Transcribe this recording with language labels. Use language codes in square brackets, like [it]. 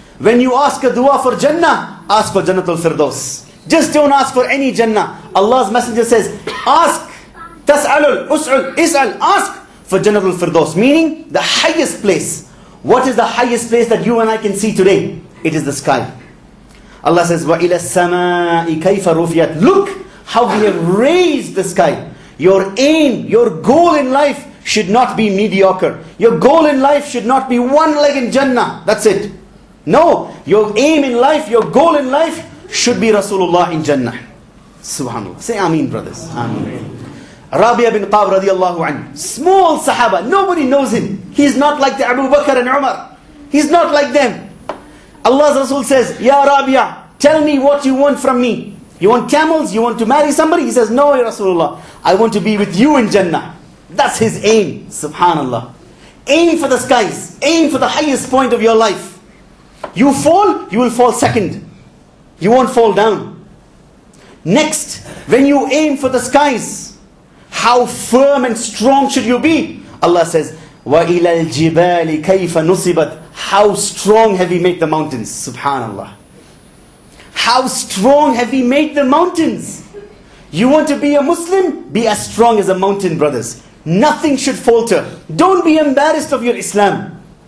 [en] When you ask a dua for Jannah, ask for Jannatul Firdaus. Just don't ask for any Jannah. Allah's Messenger says, ask, tas'alul, us'ul, is'al, ask for Jannatul Firdaus, meaning the highest place. What is the highest place that you and I can see today? It is the sky. Allah says, [ar] وَإِلَى السَّمَاءِ كَيْفَ رُفِيَتْ. [en] Look how we have raised the sky. Your aim, your goal in life should not be mediocre. Your goal in life should not be one leg in Jannah. That's it. No, your aim in life, your goal in life should be Rasulullah in Jannah. SubhanAllah. Say Ameen, brothers. Ameen. Rabia bin Qab radiallahu anhu. Small sahaba. Nobody knows him. He's not like the Abu Bakr and Umar. He's not like them. Allah's Rasul says, Ya Rabia, tell me what you want from me. You want camels? You want to marry somebody? He says, no, Ya Rasulullah. I want to be with you in Jannah. That's his aim. SubhanAllah. Aim for the skies. Aim for the highest point of your life. You fall, you will fall second. You won't fall down. Next, when you aim for the skies, how firm and strong should you be? Allah says, [ar] وَإِلَى الْجِبَالِ كَيْفَ نُصِبَتْ. [en] How strong have we made the mountains? SubhanAllah. How strong have we made the mountains? You want to be a Muslim? Be as strong as a mountain, brothers. Nothing should falter. Don't be embarrassed of your Islam.